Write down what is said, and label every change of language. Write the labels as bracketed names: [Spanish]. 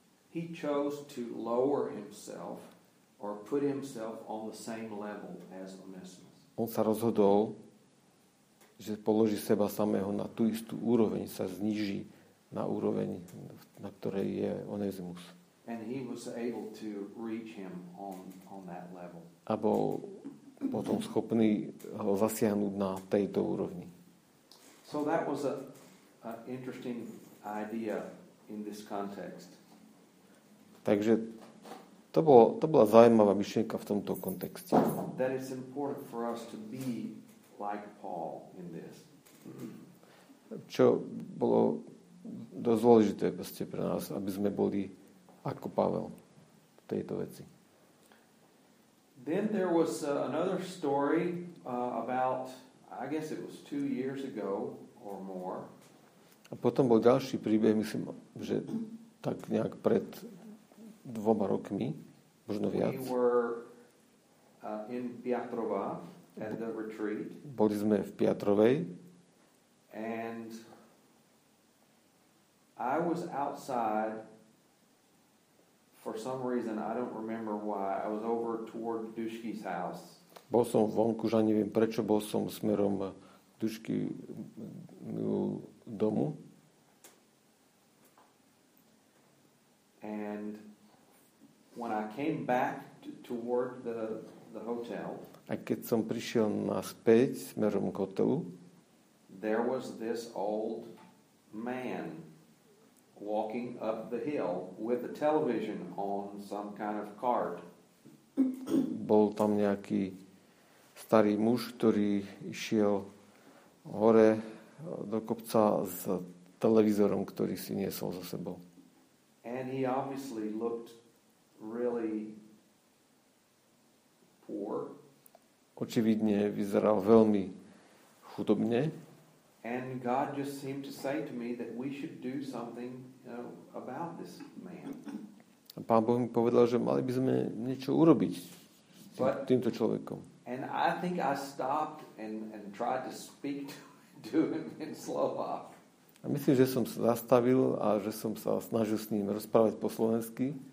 [English] He chose to lower himself or put himself on the same level as Onesimus. [Slovak] On sa rozhodol, že položí seba samého na tú istú úroveň, sa zníži na úroveň, na ktorej je Onesimus. [English] And he was able to reach him on that level. [Slovak] A bol potom schopný ho zasiahnuť na tejto úrovni. [English] So that was a interesting idea in this context. [Slovak] Takže to bola zaujímavá myšlienka v tomto kontexte. [English] That it's important for us to be like Paul in this. [Slovak] Čo bolo dosť dôležité proste pre nás, aby sme boli ako Pavel v tejto veci. [English] Then there was another story about, I guess it was 2 years ago or more. [Slovak] A potom bol ďalší príbeh, myslím, že tak nejak pred dvoma rokmi, možno viac. [English] We were in Piatrova at the retreat. [Slovak] Boli sme v Piatrovej. [English] And I was outside for some reason, I don't remember why. I was over toward Dušky's house. [Slovak] Bol som vonku, že neviem prečo, bol som smerom Dušky domu. [English] And when I came back toward the hotel, [Slovak] a keď som prišiel naspäť smerom k hotelu, [English] there was this old man walking up the hill with a television on some kind of cart. [Slovak] Bol tam nejaký starý muž, ktorý išiel hore do kopca s televízorom, ktorý si niesol za sebou. [English] And he obviously looked really poor. [Slovak] Očividne vyzeral veľmi chudobne. [English] And God just seemed to say to me that we should do something, you know, about this man. [Slovak] A Pán Boh mi povedal, že mali by sme niečo urobiť týmto človekom. [English] And I think I stopped and tried to speak to him in Slovak. [Slovak] A myslím, že som sa zastavil a že som sa snažil s ním rozprávať po slovensky.